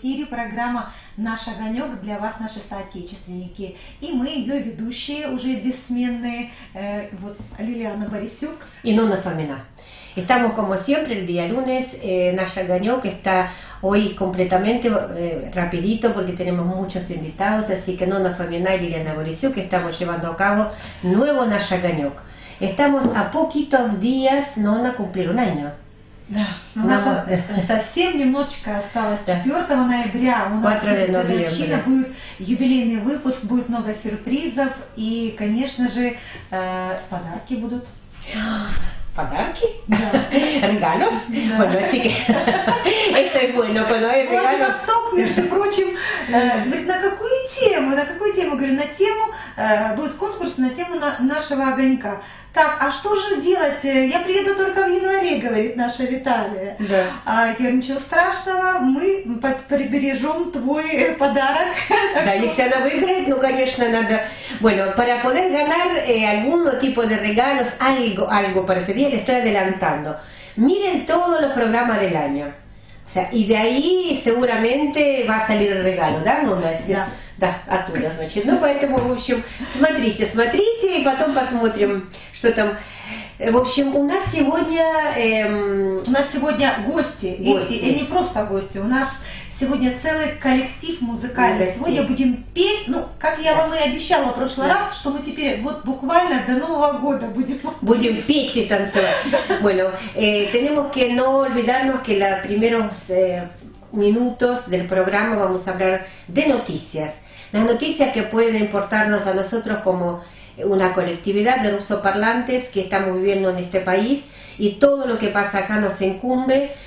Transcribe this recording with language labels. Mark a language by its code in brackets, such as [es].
[ru] Программа «Наш огонек» для вас, наши соотечественники. И мы, ее ведущие, уже бессменные, вот Лилиана Борисюк. И Нонна Фомина. И там, [es] como siempre, el día lunes, «Наш огонек» está hoy completamente rapidito, porque tenemos muchos invitados, así que Нонна Фомина и Лилиана Борисюк estamos llevando a cabo nuevo «Наш огонек». Estamos a poquitos días, Нонна, cumplir un año. [ru] Да, у нас совсем немножечко осталось. 4 ноября у нас годовщина, будет юбилейный выпуск, будет много сюрпризов и, конечно же, подарки будут. Подарки? Да. [es] Regalos? Bueno, así que estoy bueno cuando hay regalos. [ru] Вот Восток, между прочим, говорит, на какую тему? На какую тему? Говорю, на тему, будет конкурс на тему нашего огонька. Так, а что же делать? Я приеду только в январе, говорит наша Виталия. Да. А я, ничего страшного, мы прибережем твой подарок. Да, если она выиграет, ну, конечно, надо... [es] Bueno, para poder ganar algún tipo de regalos, algo para ese día, le estoy adelantando. Miren todos los programas del año. O sea, y de ahí seguramente va a salir el regalo, [ru] ¿da, [es] Nonna? [ru] Да. Да, оттуда, значит. Ну, поэтому, в общем, смотрите, смотрите, и потом посмотрим, что там. В общем, у нас сегодня... У нас сегодня гости. Гости. И не просто гости, у нас сегодня целый коллектив музыкальный. Сегодня будем петь, ну, как я вам и обещала в прошлый раз, что мы теперь вот буквально до Нового года будем петь и танцевать. [es] Bueno, tenemos que no olvidarnos que los primeros minutos del programa vamos a hablar de noticias. Las noticias que pueden importarnos a nosotros como una colectividad de rusoparlantes que estamos viviendo en este país y todo lo que pasa acá nos incumbe.